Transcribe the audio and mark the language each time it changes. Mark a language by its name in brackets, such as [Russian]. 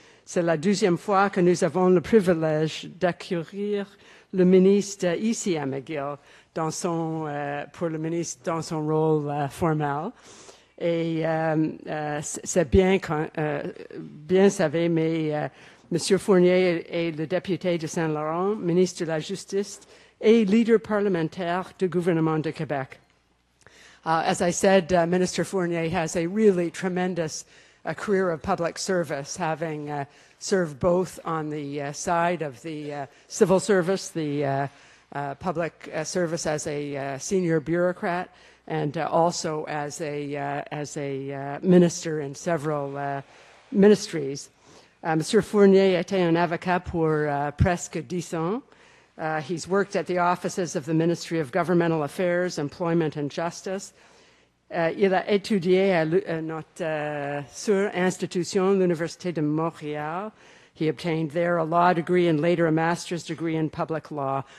[French] C'est la deuxième fois que nous avons le privilège d'accueillir le ministre ici à McGill dans son, pour le ministre dans son rôle formel. Et c'est bien, bien savé, mais Monsieur Fournier est le député de Saint-Laurent, ministre de la Justice et leader parlementaire du gouvernement de Québec. [English] As I said, Minister Fournier has a really tremendous career of public service, having served both on the side of the civil service, the public service as a senior bureaucrat, and also as a minister in several ministries. [French] Monsieur Fournier était un avocat pour presque 10 ans. [English] He's worked at the offices of the Ministry of Governmental Affairs, Employment and Justice. [French] Il a étudié à notre institution, l'Université de Montréal. [English] He obtained there a law degree and later a master's degree in public law.